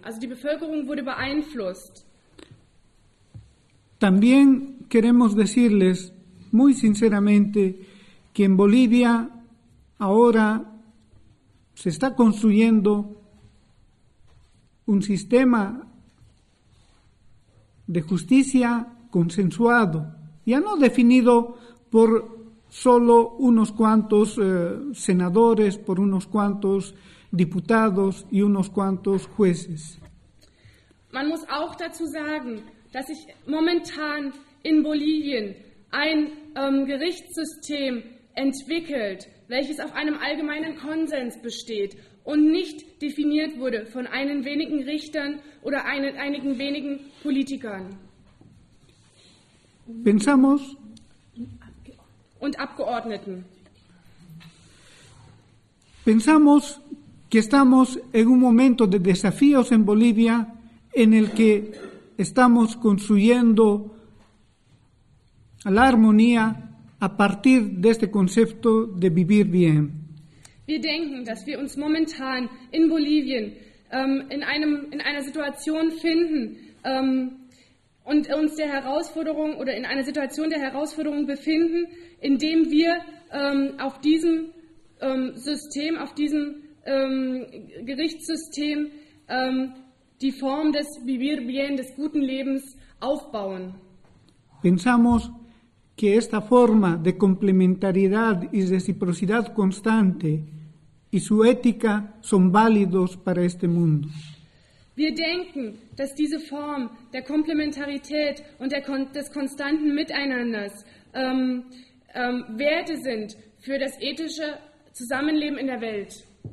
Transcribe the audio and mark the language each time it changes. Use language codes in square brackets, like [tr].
[de] Also die Bevölkerung wurde beeinflusst. [es] También queremos decirles muy sinceramente que en Bolivia ahora se está construyendo un sistema de justicia consensuado, ya no definido por solo unos cuantos senadores, por unos cuantos diputados y unos cuantos jueces. [de] Man muss auch dazu sagen, dass sich momentan in Bolivien ein Gerichtssystem entwickelt, welches auf einem allgemeinen Konsens besteht und nicht definiert wurde von einigen wenigen Richtern oder einigen wenigen Politikern. [es] Pensamos. [de] Und Abgeordneten. [es] Pensamos que estamos en un momento de desafíos en Bolivia en el que estamos construyendo la armonía a partir de este concepto de vivir bien. [de] Wir denken, dass wir uns momentan in Bolivien in einer Situation finden und uns der Herausforderung oder in einer Situation der Herausforderung befinden, indem wir auf diesem System, auf diesem Gerichtssystem die Form des Vivir Bien, des guten Lebens, aufbauen. [es] Pensamos que esta forma de complementariedad y reciprocidad constante y su ética son válidos para este mundo. [de] Wir denken, dass diese Form der Komplementarität und des konstanten Miteinanders Werte sind für das ethische Zusammenleben in der Welt.